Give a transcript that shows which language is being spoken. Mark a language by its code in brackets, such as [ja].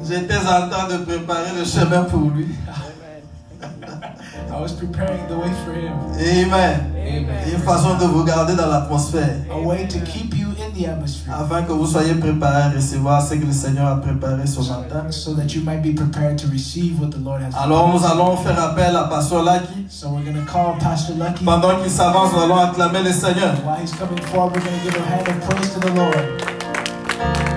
[fr] J'étais en train de préparer le chemin pour lui. [en] I was preparing the way for him. Amen. Amen. [fr] Une façon de vous garder dans l'atmosphère. [en] A way to keep you in the the atmosphere. [fr] Afin que vous soyez préparés à recevoir ce que le Seigneur a préparé ce matin. [en] So that you might be prepared to receive what the Lord has prepared. [fr] Alors nous allons faire appel à Pasteur Lucky. [en] So we're going to call Pastor Lucky. [fr] Pendant qu'il s'avance, nous allons acclamer le Seigneur. [en] While he's coming forward, we're going to give a hand of praise to the Lord.